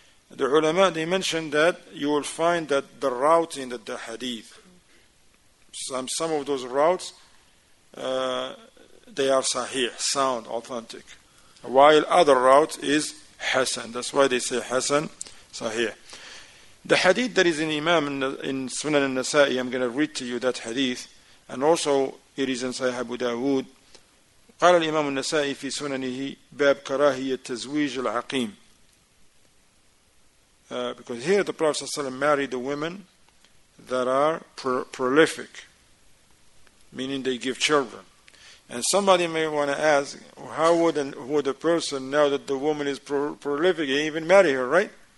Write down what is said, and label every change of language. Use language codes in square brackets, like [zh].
[en] The ulama, they mentioned that you will find that the routing that the Hadith, some of those routes, they are Sahih, sound, authentic. While other route is Hasan. That's why they say Hasan, Sahih. The hadith that is in Imam in Sunan al-Nasa'i, I'm going to read to you that hadith, and also it is in Sahih Abu Dawood. [ar] قال الإمام النسائي في سننه باب كراهية تزويج العقيم. [en] Because here the Prophet ﷺ married the women that are prolific, meaning they give children. And somebody may want to ask, how would a person know that the woman is prolific and even marry her, right?